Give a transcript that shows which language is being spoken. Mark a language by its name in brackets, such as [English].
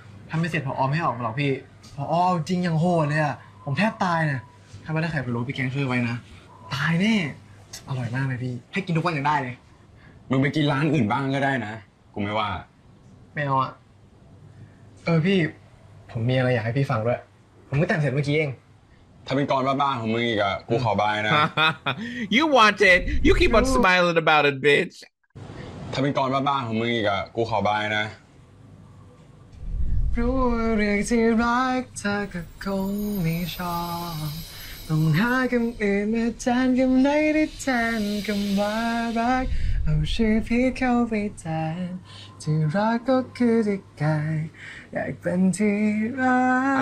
[Thai] ทำไม่เสร็จพ่อออมไม่ออกหรอกพี่พ่ออ้อจริงอย่างโหดเลยอ่ะผมแทบตายเนี่ยถ้าไม่ได้ไข่พะโล้พี่แกงช่วยไว้นะตายแน่อร่อยมากเลยพี่ให้กินทุกวันยังได้เลย มึงไปกินร้านอื่นบ้างก็ได้นะกูไม่ว่า ไม่เอาอ่ะเออพี่ผมมีอะไรอยากให้พี่ฟังด้วยผมเพิ่งแต่งเสร็จเมื่อกี้เอง ถ้าเป็นกรบ้านๆของมึงอีกอ่ะกูขอบายนะ [English] You want it you keep on smiling about it bitch [Thai] ถ้าเป็นกรบ้านๆของมึงอีกอ่ะกูขอบายนะ รู้ว่าเรื่องที่รักเธอก็คงไม่ชอบต้องหาคำอื่นมาแทนคำไหนได้แทนคำว่ารักเอาชื่อพี่เข้าไปแทนที่รักก็คือที่ไกลอยากเป็นที่รัก